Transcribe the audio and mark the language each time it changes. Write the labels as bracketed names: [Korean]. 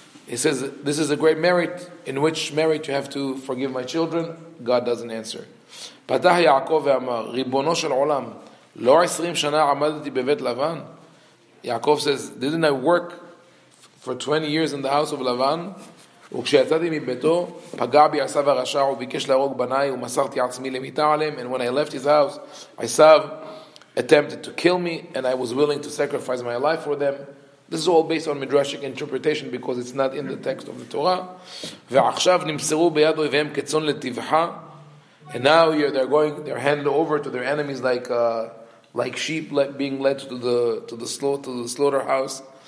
[English] He says, this is a great merit, in which merit you have to forgive my children. God doesn't answer. [Hebrew] Patah Yaakov ve'amar, ribono shel olam, לא 20 שנה עמדתי בבית לבן. [English] יעקב says, didn't I work for 20 years in the house of לבן? [Hebrew] וכשיצאתי מביתו, פגע בי עשיו הרשע, וביקש להרוג בניי, ומסרתי עצמי למיטה עליהם. [English] And when I left his house, עשיו attempted to kill me, and I was willing to sacrifice my life for them. This is all based on Midrashic interpretation, because it's not in the text of the Torah. [Hebrew] ועכשיו נמסרו ביד אויביהם כצאן לטבחה. [English] And now they're handed over to their enemies like sheep being led to the slaughterhouse.